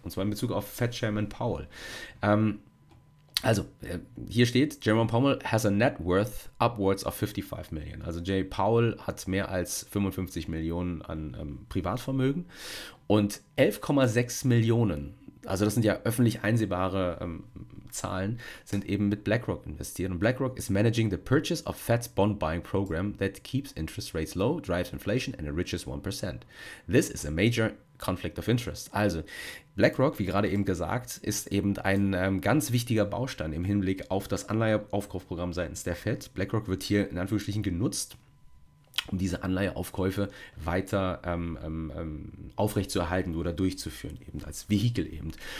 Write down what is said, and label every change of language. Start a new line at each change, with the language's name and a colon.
German: Und zwar in Bezug auf Fed Chairman Powell. Also, hier steht, Jerome Powell
English: has a net worth upwards of
German: 55 Millionen. Also Jay Powell hat mehr als 55 Millionen an Privatvermögen und 11,6 Millionen, also das sind ja öffentlich einsehbare Zahlen, sind eben mit BlackRock investiert.
English: Und BlackRock is managing the purchase of Fed's bond buying program that keeps interest rates low, drives inflation and enriches 1%. This is a major Conflict of Interest.
German: Also, BlackRock, wie gerade eben gesagt, ist eben ein ganz wichtiger Baustein im Hinblick auf das Anleiheaufkaufprogramm seitens der Fed. BlackRock wird hier in Anführungsstrichen genutzt, um diese Anleiheaufkäufe weiter aufrechtzuerhalten oder durchzuführen, eben als Vehikel eben.